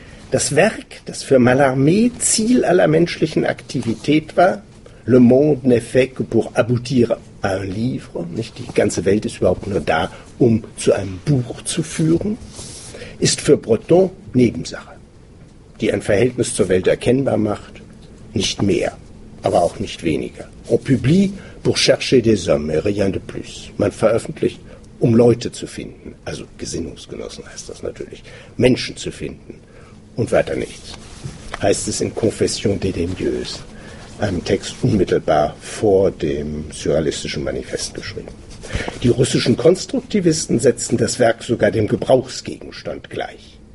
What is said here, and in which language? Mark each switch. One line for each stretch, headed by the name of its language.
German: Das Werk, das für Mallarmé Ziel aller menschlichen Aktivität war,
French: le monde n'est fait que pour aboutir à un livre,
German: nicht die ganze Welt ist überhaupt nur da, um zu einem Buch zu führen, ist für Breton Nebensache, die ein Verhältnis zur Welt erkennbar macht, nicht mehr, aber auch nicht weniger.
French: On publie pour chercher des hommes, rien de plus.
German: Man veröffentlicht, um Leute zu finden, also Gesinnungsgenossen heißt das natürlich, Menschen zu finden und weiter nichts. Heißt es in Confession des Dédaigneuses, einem Text unmittelbar vor dem surrealistischen Manifest geschrieben. Die russischen Konstruktivisten setzten das Werk sogar dem Gebrauchsgegenstand gleich.